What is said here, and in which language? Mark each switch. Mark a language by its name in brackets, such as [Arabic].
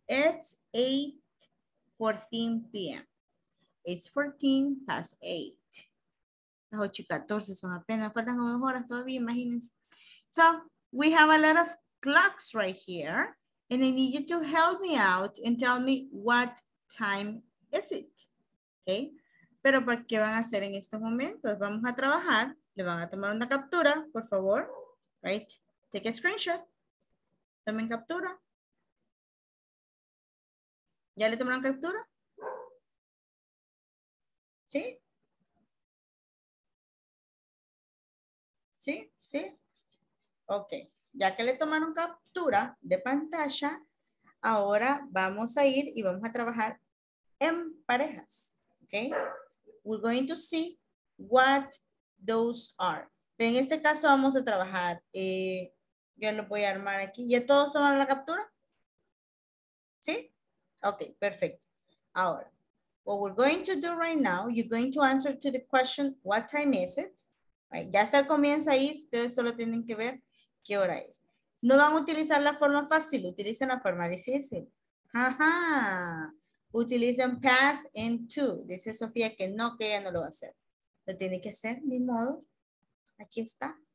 [English] It's 8:14 p.m. It's 14 past 8. [Spanish] 8:14 son apenas, faltan como 2 horas todavía, imagínense. [English] So, we have a lot of clocks right here, and I need you to help me out and tell me what time is it, okay? [Spanish] Pero, ¿qué van a hacer en estos momentos? Vamos a trabajar, le van a tomar una captura, por favor, right? [English] Take a screenshot, [Spanish] tomen captura. ¿Ya le tomaron captura? ¿Sí? ¿Sí? ¿Sí? Ok. Ya que le tomaron captura de pantalla, ahora vamos a ir y vamos a trabajar en parejas. [English] Ok. We're going to see what those are. [Spanish] Pero en este caso vamos a trabajar. Yo lo voy a armar aquí. ¿Ya todos tomaron la captura? ¿Sí? Ok, perfecto. Ahora, [English] what we're going to do right now, you're going to answer to the question, what time is it? Right. [Spanish] Ya está el comienzo ahí, ustedes solo tienen que ver qué hora es. No van a utilizar la forma fácil, utilicen la forma difícil. Ajá. Utilicen pass and to. Dice Sofía que ella no lo va a hacer. Lo tiene que hacer, ni modo. Aquí está.